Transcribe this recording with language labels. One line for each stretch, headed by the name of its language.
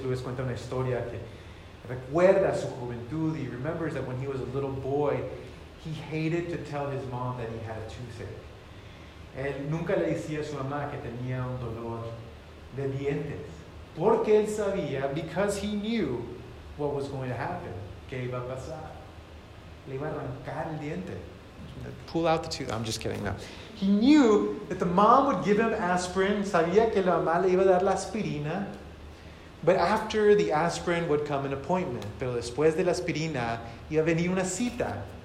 Spanish: Lewis cuenta una historia que recuerda su juventud.
English: He remembers that when he was a little boy, he hated to tell his mom that he had a toothache.
Spanish: Él nunca le decía a su mamá que tenía un dolor de dientes. Porque él sabía,
English: because he knew what was going to happen.
Spanish: ¿Qué iba a pasar? Le iba a arrancar el diente.
English: Pull out the tooth. I'm just kidding, no. He knew that the mom would give him aspirin.
Spanish: Sabía que la mamá le iba a dar la aspirina.
English: But after the aspirin would come an appointment.
Spanish: Pero después de la aspirina, iba a venir una cita.